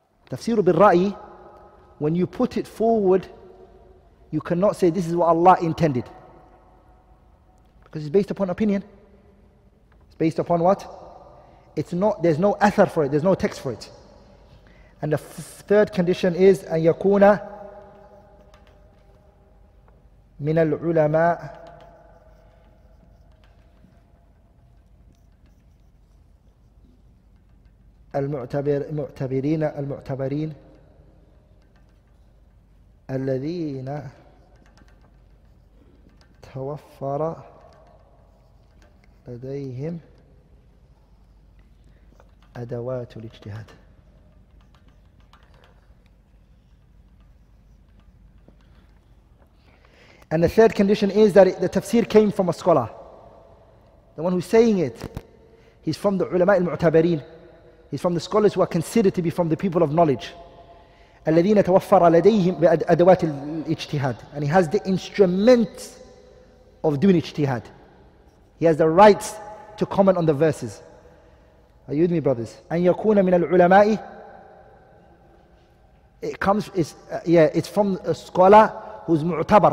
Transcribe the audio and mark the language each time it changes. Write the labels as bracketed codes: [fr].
[ar] تفسير بالرأي, [en] when you put it forward, you cannot say this is what Allah intended. Because it's based upon opinion. It's based upon what? It's not, there's no athar for it, there's no text for it. And the third condition is [ar] أن يكون من العلماء المعتبرين الذين توفر لديهم أدوات الاجتهاد. [en] And the third condition is that the tafsir came from a scholar. The one who's saying it, he's from the ulama al-mu'tabareen. He's from the scholars who are considered to be from the people of knowledge. [ar] الذين توفر لديهم أدوات الاجتهاد. [en] And he has the instrument of doing ijtihad. He has the rights to comment on the verses. Are you with me, brothers? [ar] أن يكون من العلماء. [en] It comes, it's from a scholar who's mu'tabar.